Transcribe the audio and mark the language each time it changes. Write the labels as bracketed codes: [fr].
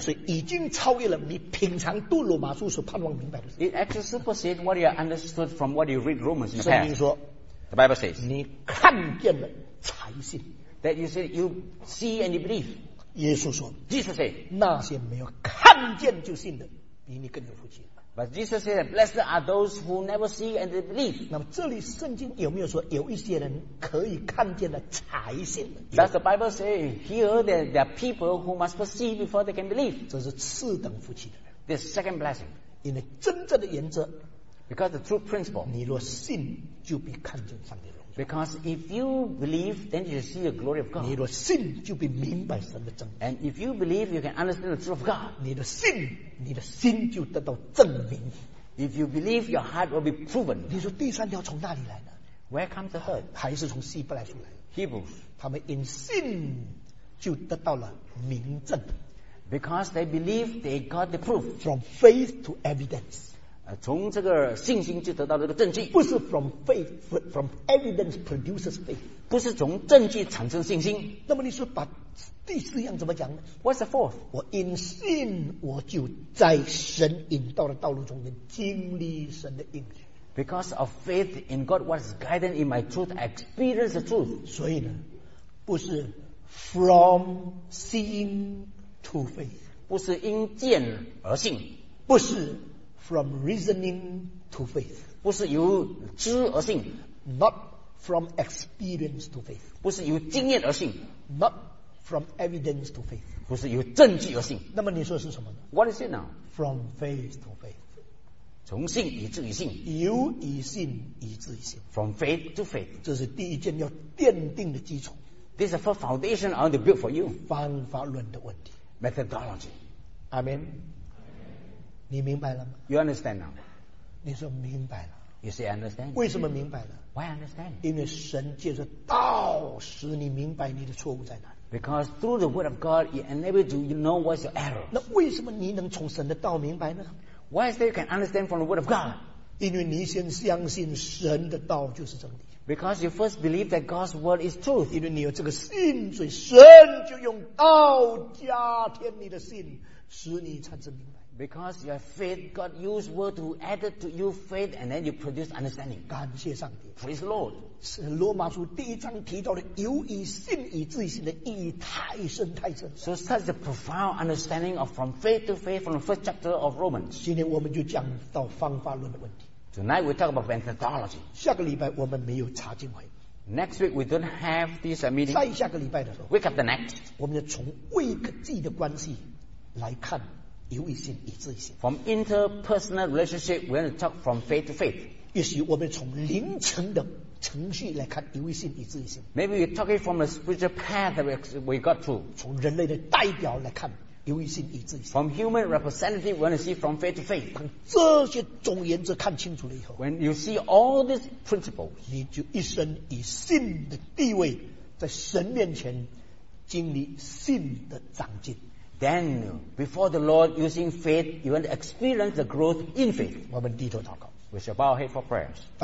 [zh] 所以已经超越了你平常读罗马书所盼望明白的事。 [en] It actually supersedes what you understood from what you read Romans in the past. [zh] 圣经说 [en] ，The Bible says [zh] 你看见了才信。 [en] That you say you see and you believe. [zh] 耶稣说 [en] ，Jesus said [zh] 那些没有看见就信的，比你更有福气。 [en] But Jesus said, "Blessed are those who never see and they believe." [zh] 那么这里圣经有没有说有一些人可以看见的才信？ [en] Does the Bible say here that there are people who must see before they can believe? [zh] 这是次等福气的人。 [en] The second blessing. [zh] 因为真正的原则。 [en] Because the true principle. [zh] 你若信，就必看见上帝的荣耀。 [en] Because if you believe, then you see the glory of God. [zh] 你若信，就必明白神的真理。 [en] And if you believe, you can understand the truth of God. [zh] 你的信。你的心就得到证明。 [en] If you believe, your heart will be proven. [zh] 你说第三条从哪里来的 [en] ？Where comes the third？ [zh] 还是从希伯来书来的 [en] ？Hebrews. [zh] 他们因信就得到了明证。 [en] Because they believe, they got the proof. From faith to evidence. [zh] 从这个信心就得到这个证据。不是 [en] from faith, but from evidence produces faith. [zh] 不是从证据产生信心。那么你说把。第四样怎么讲呢 [en] ？What's the fourth？ [zh] 我因信，我就在神引导的道路中间经历神的应许。 [en] Because of faith in God was guided in my truth, I experienced the truth. [zh] 所以呢，不是 [en] from seeing to faith， [zh] 不是因见而信，不是 [en] from reasoning to faith， [zh] 不是由知而信 [en] ，not from experience to faith， [zh] 不是由经验而信 [en] ，not。 From evidence to faith， [zh] 不是有证据而信。那么你说是什么呢 [en] ？What is it now？ From faith to faith， [zh] 从信以至于信。由以信以至于信。 [en] From faith to faith， [zh] 这是第一件要奠定的基础。 [en] This is the first foundation I want to build for you。 [zh] 方法论的问题。 [en] Methodology， [zh] 阿门。你明白了吗 [en] ？You understand now？ [zh] 你说明白了。 [en] You say understand？ [zh] 为什么明白了 [en] ？Why understand？ [zh] 因为神借着道使你明白你的错误在哪里。 [en] Because through the word of God, it enables you to know what's your error. [zh] 那为什么你能从神的道明白呢 [en] ？Why is that you can understand from the word of God? [zh] 因为你先相信神的道就是真理。 [en] Because you first believe that God's word is truth. [zh] 因为你有这个信，所以神就用道加添你的信，使你产生明白。 [en] Because your faith, God used word to add it to your faith, and then you produce understanding. [zh] 感谢上帝。 [en] Praise the Lord. [zh] 是罗马书第一章提到的由以信以至于信的意义太深太深。 [en] So such a profound understanding of from faith to faith from the first chapter of Romans. [zh] 今天我们就讲到方法论的问题。 [en] Tonight we talk about methodology. [zh] 下个礼拜我们没有查经会。 [en] Next week we don't have this meeting. [zh] 再下个礼拜的时候。 [en] Week of the next. [zh] 我们要从位格记的关系来看。由于信以至于信。 [en] From interpersonal relationship, we want to talk from faith to faith. [zh] 也许我们从灵层的程序来看，由于信以至于信。 [en] Maybe we talk it from the spiritual path that we got to. [zh] 从人类的代表来看，由于信以至于信。 [en] From human representative, we want to see from faith to faith. [zh] 当这些总原则看清楚了以后 [en] ，When you see all these principles, [zh] 你就一生以信的地位，在神面前经历信的长进。 [en] Then, before the Lord, using faith, you want to experience the growth in faith. [zh] 我们低头祷告。 [en] We shall bow our head for prayers.